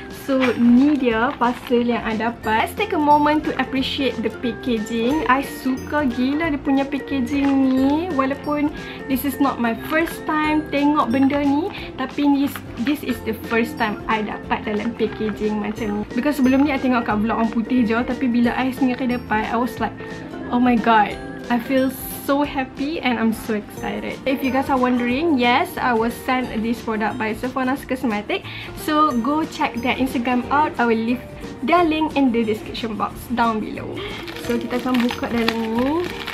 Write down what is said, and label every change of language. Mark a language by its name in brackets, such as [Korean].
[Malay] So ni dia parcel yang I dapat. [English] Let's take a moment to appreciate the packaging. [Malay] I suka gila dia punya packaging ni. Walaupun [English] this is not my first time [Malay] tengok benda ni, tapi [English] this is the first time [Malay] I dapat dalam packaging macam ni. [English] Because [Malay] sebelum ni I tengok kat vlog orang putih je, tapi bila I sendiri dapat, [English] I was like, oh my god, I feel so happy and I'm so excited. If you guys are wondering, yes, I was sent this product by Sofwanah Cosmetics. So go check their Instagram out. I will leave their link in the description box down below. [Malay] So kita akan buka dalam ni.